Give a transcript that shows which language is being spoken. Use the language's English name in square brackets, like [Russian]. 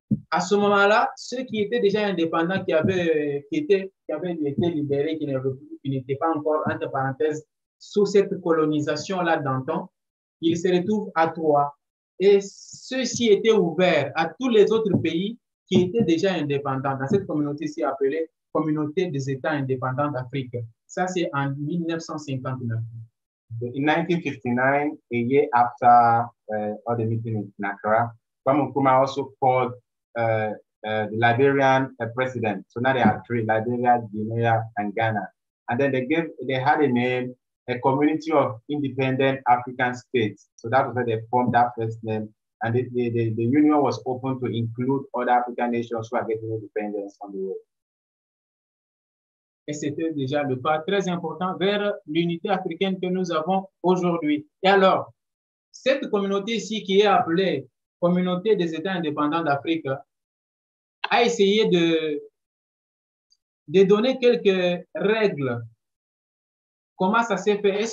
[French] À ce moment-là, ceux qui étaient déjà indépendants, qui avaient été libérés, qui n'étaient pas encore, entre parenthèses, sous cette colonisation-là d'antan, ils se retrouvent à trois. Et ceux-ci étaient ouverts à tous les autres pays qui étaient déjà indépendants, dans cette communauté-ci appelée Communauté des États indépendants d'Afrique. Ça, c'est en 1959. [English] In 1959, a year after all the meeting in Accra, Kwame Nkrumah also called the Liberian president. So now they have three: Liberia, Guinea, and Ghana. And then they had a name, a community of independent African states. So that was where they formed that first name. And the union was open to include other African nations who are getting independence on the world. [French] et c'était déjà le pas très important vers l'unité africaine que nous avons aujourd'hui. Et alors, cette communauté-ci qui est appelée Communauté des États indépendants d'Afrique a essayé de donner quelques règles. Comment ça s'est fait?